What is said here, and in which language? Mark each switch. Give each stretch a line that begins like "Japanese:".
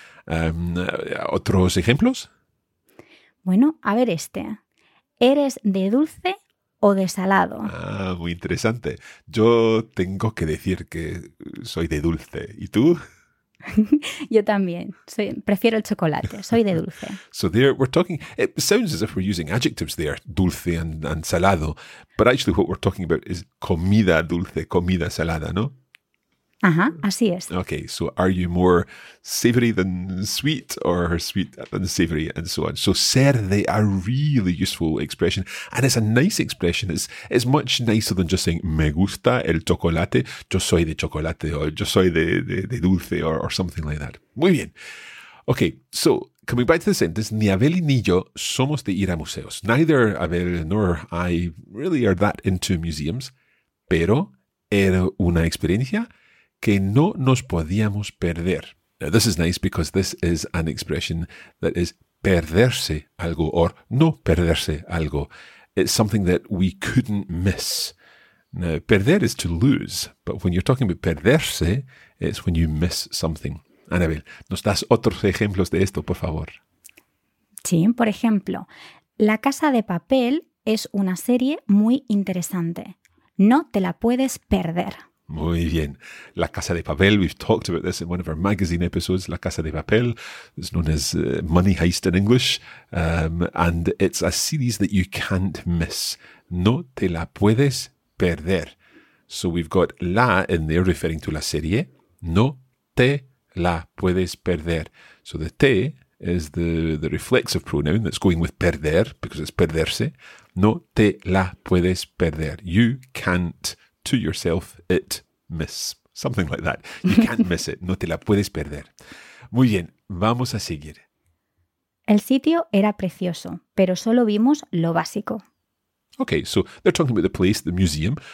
Spanish: ¿Otros ejemplos? Bueno, a ver este. ¿Eres de dulce o de salado? Ah, muy interesante. Yo tengo que decir que soy de dulce. ¿Y tú? Yo también. Prefiero el chocolate. Soy de dulce.
English: So there we're talking. It sounds as if we're using adjectives there, dulce and salado. But actually, what we're talking about is
Spanish: comida dulce, comida salada, ¿no? Ajá, así es.
English: Okay, so are you more savory than sweet or sweet than savory and so on? So ser de, a really useful expression. And it's a nice expression. It's much nicer than just saying
Spanish: me gusta el chocolate, yo soy de chocolate o yo soy de dulce
English: or something like that.
Spanish: Muy bien.
English: Okay, so coming back to the sentence,
Spanish: ni Abel ni yo somos de ir a museos.
English: Neither Abel nor I really are that into museums,
Spanish: pero era una experiencia que no nos podíamos perder.
English: Now, this is nice because this is an expression that is
Spanish: perderse algo
English: or
Spanish: no perderse algo.
English: It's something that we couldn't miss. Now, perder is to lose, but when you're talking about perderse, it's when you miss something.
Spanish: Anabel, ¿nos das otros ejemplos de esto, por favor? Sí, por ejemplo, La Casa de Papel es una serie muy interesante. No te la puedes perder. Muy bien.
English: La Casa de Papel, we've talked about this in one of our magazine episodes, La Casa de Papel, it's known as Money Heist in English, and it's a series that you can't miss.
Spanish: No te la puedes perder.
English: So we've got la in there referring to la serie.
Spanish: No te la puedes perder.
English: So the te is the reflexive pronoun that's going with perder, because it's perderse.
Spanish: No te la puedes perder.
English: You can't to yourself, it, miss. Something like that. You can't miss it.
Spanish: No te la puedes perder. Muy bien, vamos a seguir. El sitio era precioso, pero solo vimos lo básico.
English: Okay, so they're talking about the place, the museum.